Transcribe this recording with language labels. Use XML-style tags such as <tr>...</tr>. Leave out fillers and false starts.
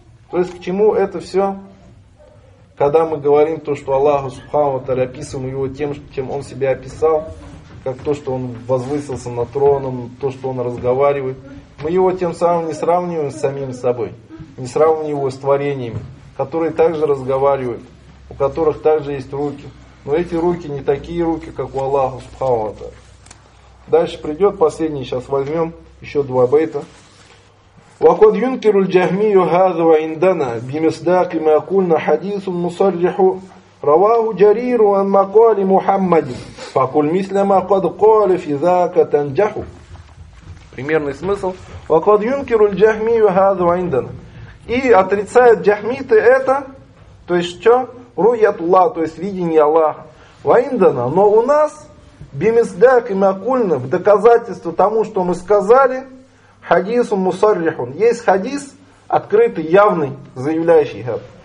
<ru>То есть к чему это все? Когда мы говорим то, что Аллаху Субхану Ва Тааля описываем его тем, чем он себя описал, как то, что он возвысился над троном, то, что он разговаривает, мы его тем самым не сравниваем с самим собой, не сравниваем его с творениями, которые также разговаривают, у которых также есть руки. Но эти руки не такие руки, как у Аллаха Субхану Ва Тааля. Дальше придет последний, сейчас возьмем еще два бейта.</ru> <ar>وقد ينكر الجهمي هذا عندنا بمصداق ما قلنا حديث مصرح رواه جرير عن مقال محمد فقل مثل ما قد قال في ذاك تنجح.</ar> <ru>Примерный смысл.</ru> <ar>وقد ينكر الجهمي هذا عندنا.</ar> <ru>И отрицает джахмиты это, то есть что? Руятуллах, то есть видение Аллаха. Вайндана, но у нас</ru> <ar>бимисдак и макульна,</ar> <ru>в доказательство тому, что мы сказали,</ru> <ar>хадису мусаррихун.</ar> <ru>Есть хадис, открытый, явный, заявляющий это.</ru>